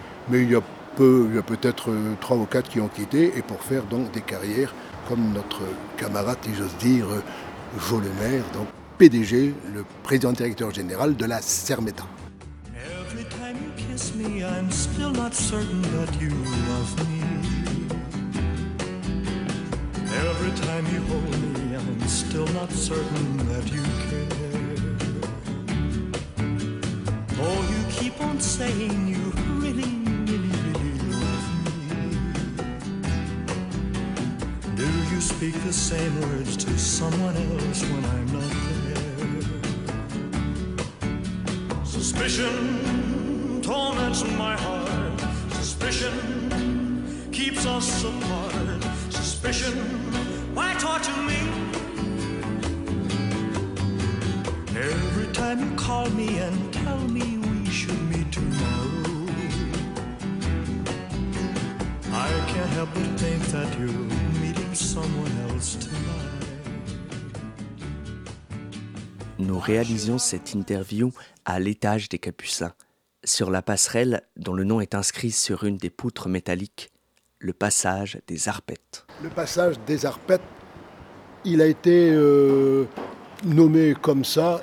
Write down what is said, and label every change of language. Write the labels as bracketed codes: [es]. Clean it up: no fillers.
[fr] Mais il y a peut-être 3 ou 4 qui ont quitté et pour faire donc des carrières comme notre camarade, si j'ose dire, Jo Le Maire, donc PDG, le président directeur général de la Sermeta. [en] Every time you kiss me, I'm still not certain that you love me. Every time you hold me, I'm still not certain that you care. Oh, you keep on saying you really, really, really love me. Do you speak the same words to someone else when I'm not there? Suspicion torments my heart. Suspicion keeps us apart. Suspicion, why talk to me? Every time you call me and tell me we should meet tomorrow, I can't help but think that you're meeting someone else tonight. [fr] Nous réalisions cette interview à l'étage des Capucins, sur la passerelle dont le nom est inscrit sur une des poutres métalliques, le passage des Arpètes. Le passage des Arpètes, il a été nommé comme ça.